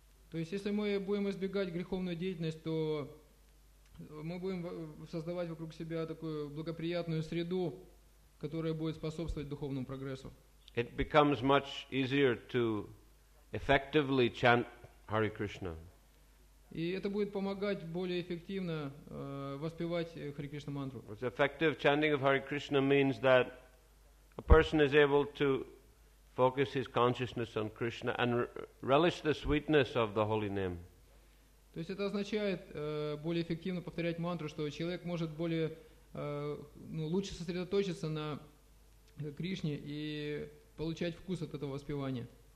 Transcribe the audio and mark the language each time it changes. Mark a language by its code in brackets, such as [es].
[ru] То есть если мы будем избегать греховной деятельности, то мы будем создавать вокруг себя такую благоприятную среду, которая будет способствовать духовному прогрессу. [en] It becomes much easier to effectively chant Hare Krishna. [ru] И это будет помогать более эффективно воспевать Hare Krishna мантру. [en] Because effective chanting of Hare Krishna means that a person is able to focus his consciousness on Krishna and relish the sweetness of the holy name. [ru] То есть это означает более эффективно повторять мантру, что человек может более лучше сосредоточиться на Кришне и получать вкус от этого воспевания.